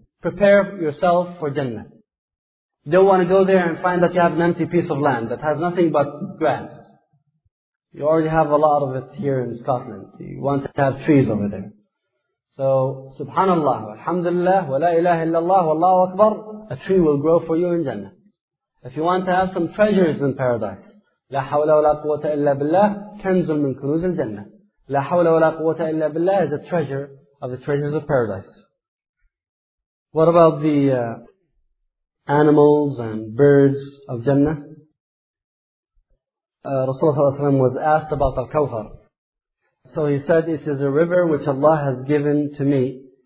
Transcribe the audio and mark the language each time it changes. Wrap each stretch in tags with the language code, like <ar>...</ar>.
<en>Prepare yourself for Jannah. Don't want to go there and find that you have an empty piece of land that has nothing but grass. You already have a lot of it here in Scotland. You want to have trees over there. So, subhanallah, alhamdulillah, wa la ilaha illallah, wallahu akbar, a tree will grow for you in Jannah. If you want to have some treasures in paradise,</en> <ar>لا حول ولا قوة إلا بالله كنز من كنوز الجنة.</ar> <en>لا حول ولا قوة إلا بالله is a treasure of the treasures of paradise. What about the animals and birds of Jannah? Rasulullah ﷺ was asked about Al-Kawthar. So he said, it is a river which Allah has given to me.</en>